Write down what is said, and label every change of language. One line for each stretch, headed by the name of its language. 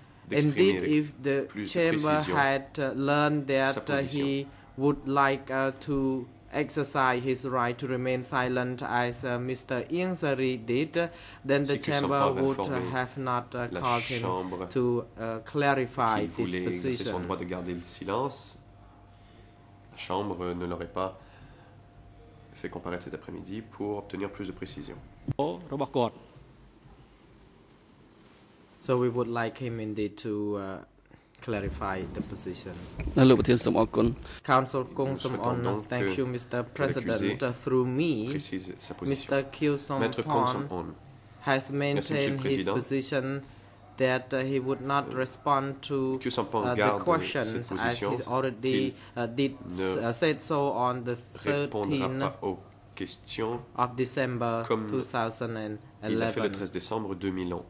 English: Indeed, if the chamber had learned that he would like to exercise his right to remain silent as Mr. Ingsari did, then the chamber would have not called him to clarify this position.
French: Qu'il voulait exercer son droit de garder le silence, la chambre ne l'aurait pas fait comparaître cet après-midi pour obtenir plus de précision.
English: So we would like him indeed to clarify the position. Council Kong Somon, thank you, Mr. President. Through me, Mr. Kyu Somphong has maintained his position that he would not respond to the questions as he already did said so on the 13th of December 2011.